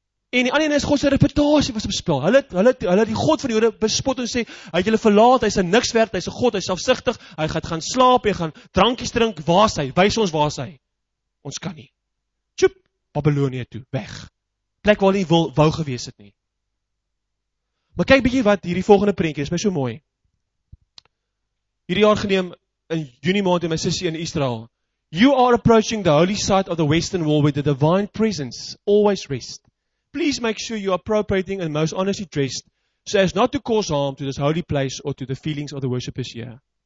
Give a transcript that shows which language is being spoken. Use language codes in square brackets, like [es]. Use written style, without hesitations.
[af] En die ander een is God se reputasie was op spel. Hulle die God van die Jode bespot en sê, hy het julle verlaat, hy is niks werd, hy is 'n God, hy is selfsugtig, hy gaan slaap, hy gaan drankies drink, waar is hy? Wys ons waar is hy? Ons kan nie. Tjoep, Babylonie toe, weg. Plek waar hy wou gewees het nie. Maar kyk bietjie wat hierdie volgende prentjie is, my so mooi. Hierdie jaar geneem in Junie maand in my sussie in Israel. [en] You are approaching the holy site of the Western Wall with the divine presence always rest. Please make sure you are appropriating and most honestly dressed so as not to cause harm to this holy place or to the feelings of the worshippers here.